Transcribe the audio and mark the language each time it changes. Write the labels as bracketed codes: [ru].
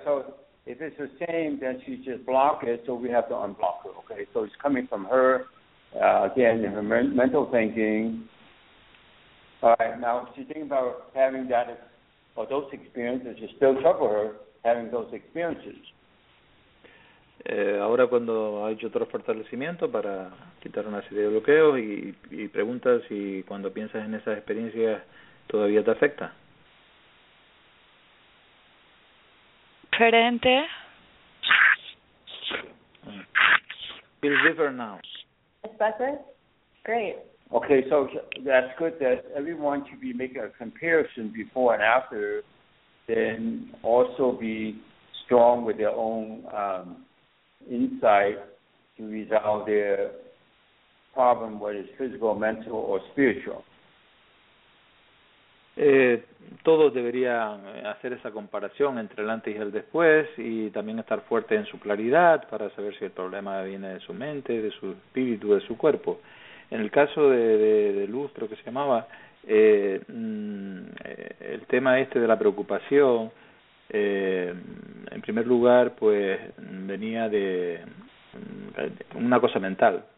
[en] So if it's the same, then she just blocked it, so we have to unblock her, okay? So it's coming from her, again, her mental thinking. All right, now she's thinking about having that or those experiences, it still trouble her having those experiences. [es] Ahora cuando ha hecho otro fortalecimiento para quitar una serie de bloqueos y preguntas si cuando piensas en esas experiencias todavía te afecta. Diferente. [en] Feels different now. It's better? Great. Okay, so that's good that everyone should be making a comparison before and after, then also be strong with their own insight to resolve their problem, whether it's physical, mental, or spiritual. [es] Todos deberían hacer esa comparación entre el antes y el después y también estar fuerte en su claridad para saber si el problema viene de su mente, de su espíritu, de su cuerpo. En el caso de Luz, creo que se llamaba, el tema este de la preocupación, en primer lugar, pues venía de una cosa mental.